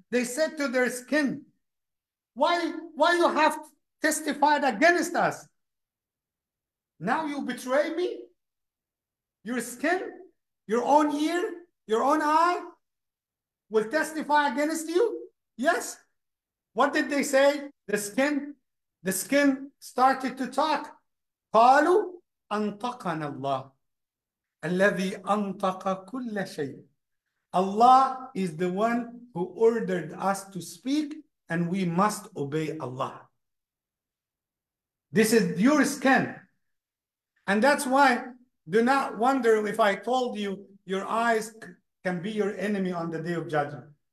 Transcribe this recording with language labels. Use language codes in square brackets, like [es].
[en] They said to their skin, why you have testified against us? Now you betray me? Your skin, your own ear, your own eye will testify against you? Yes. What did they say? The skin started to talk. [ar] قالوا أنطقنا الله الذي أنطق كل شيء. [en] Allah is the one who ordered us to speak and we must obey Allah. This is your skin. And that's why, do not wonder if I told you your eyes can be your enemy on the day of judgment.